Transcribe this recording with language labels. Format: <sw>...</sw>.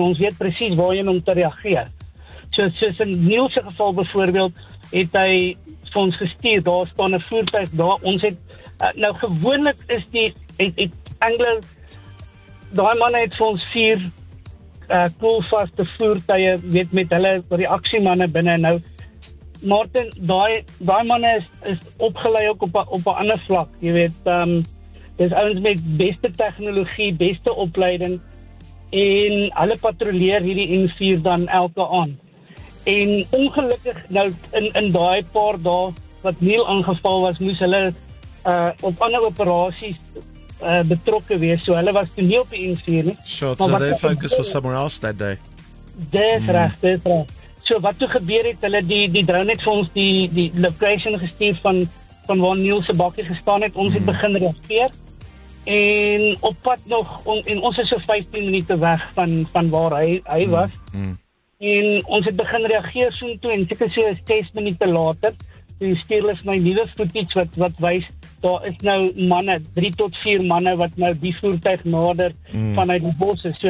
<af>Ons weet presies waar hy om te reageer. Soos in Neil se geval byvoorbeeld, het hy vir ons gestuur, daar staan 'n voertuig daar, ons het, nou gewoonlik is die, het Anglo, daai manne het vir ons 4 koelvaste voertuie, weet met hulle reaksiemanne binne, nou Martin, daai manne is opgelei ook op 'n ander vlak, jy weet, dis ouens met beste tegnologie, beste opleiding, en hulle patrolleer hierdie N4 dan elke aand. En ongelukkig, nou in daai paar dae wat Neil aangeval was, moes hulle op ander operasies betrokke wees, so hulle was toe nie op die N4 nie.</af> <en>Sure,</en> <af>maar so</af> <en>their focus was somewhere else that day.</en> <af>Dis reg. So wat toe gebeur het, hulle die drone het vir ons die location gestuur van waar Neil se bakkie gestaan het, ons het begin reageer. En op pad nog, en ons is so 15 minute weg van waar hy was. En ons het begin reageer so toe, en seker so 6 minute later, die stuurlis my nuwe footage wat wys, daar is nou manne, 3 tot 4 manne, wat nou die voertuig nader vanuit die bos is.</af>